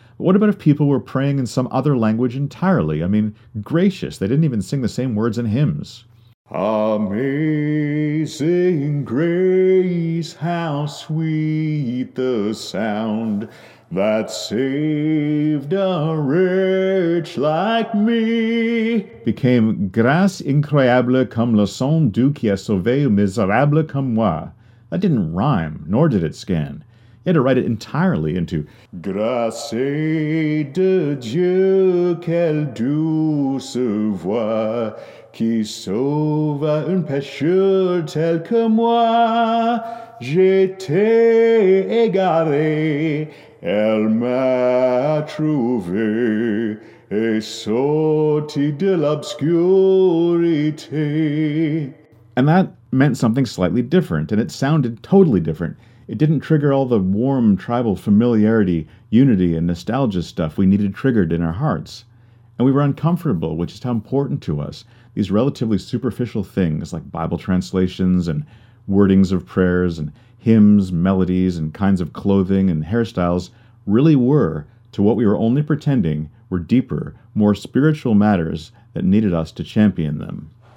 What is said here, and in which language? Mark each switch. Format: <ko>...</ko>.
<en>But what about if people were praying in some other language entirely? I mean, gracious, they didn't even sing the same words in hymns. Amazing grace, how sweet the sound, that saved a wretch like me. Became</en> <fr>grâce incroyable comme le sang du qui a sauvé misérable comme moi.</fr> <en>That didn't rhyme, nor did it scan. You had to write it entirely into</en> <fr>grâce de Dieu, quelle douce voix, qui sauva un pécheur tel que moi. J'étais égaré, elle m'a trouvé, et sorti de l'obscurité.</fr> <en>And that meant something slightly different, and it sounded totally different. It didn't trigger all the warm tribal familiarity, unity, and nostalgia stuff we needed triggered in our hearts. And we were uncomfortable, which is how important to us, these relatively superficial things like Bible translations and wordings of prayers and hymns, melodies, and kinds of clothing and hairstyles really were to what we were only pretending were deeper, more spiritual matters that needed us to champion them.</en>